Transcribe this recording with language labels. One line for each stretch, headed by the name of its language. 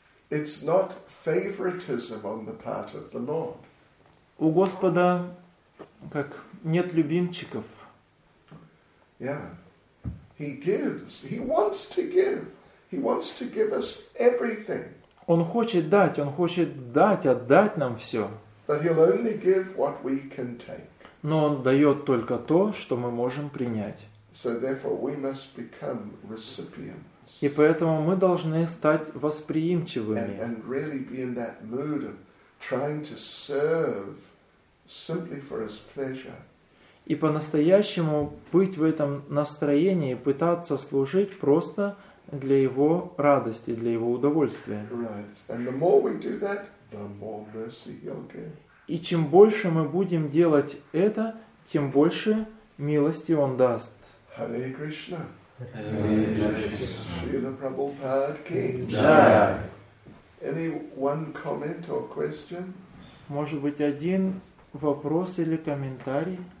English: It's not favoritism on the part of the Lord.
Russian: У Господа как нет любимчиков.
English: Yeah. He gives. He wants to give. He wants to give us everything.
Russian: Он хочет дать, он хочет дать, отдать нам все.
English: But he'll only give what we can take.
Russian: Но он дает только то, что мы можем принять.
English: So therefore we must become recipients.
Russian: И поэтому мы должны стать восприимчивыми.
English: And really be in that mood of trying to serve simply for his pleasure.
Russian: И по-настоящему быть в этом настроении, пытаться служить просто для его радости, для его удовольствия.
English: Right. And the more we do that, the more mercy he'll give.
Russian: И чем больше мы будем делать это, тем больше милости он даст.
Hindi: Hare Krishna. Hare Krishna. Shri Prabhupada ki jai.
English: Any one comment or question?
Russian: Может быть, один вопрос или комментарий?